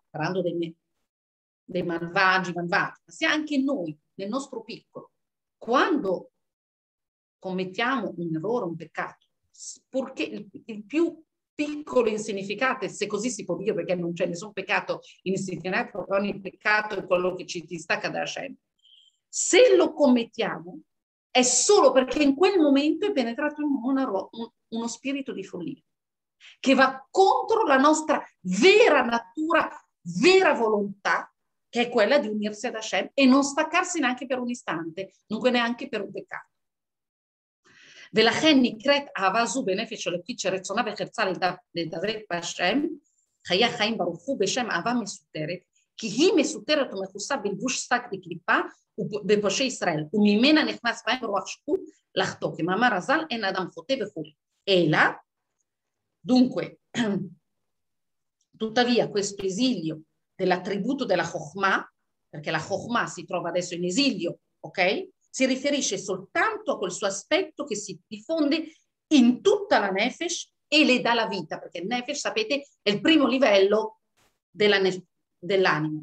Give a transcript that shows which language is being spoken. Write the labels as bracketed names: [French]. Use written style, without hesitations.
[Italian] parlando dei malvagi, malvagi, ma se anche noi, nel nostro piccolo, quando commettiamo un errore, un peccato, purché il più piccolo insignificante, se così si può dire, perché non c'è nessun peccato insignificante, ogni peccato è quello che ci distacca dalla scena, se lo commettiamo è solo perché in quel momento è penetrato in uno spirito di follia, che va contro la nostra vera natura, vera volontà, che è quella di unirsi ad Hashem e non staccarsi neanche per un istante, dunque neanche per un peccato. [Hebrew] ולכן נקראת אהבה זו בנפש אלוקית שרצונה וחרצה לדבק בהשם, חיי החיים ברוך הוא בשם אהבה מסותרת, כי היא מסותרת ומכוסה בלבוש שק בקליפה ובפושעי ישראל, וממנה נכנס בהם רוח שקול לחטוא, כמאמר הז"ל, אין אדם חוטא וכולי. [Italian] אלא, דונקווה, tuttavia questo esilio dell'attributo della Chochmah, perché la Chochmah si trova adesso in esilio, ok? Si riferisce soltanto a quel suo aspetto che si diffonde in tutta la Nefesh e le dà la vita, perché Nefesh, sapete, è il primo livello dell'anima.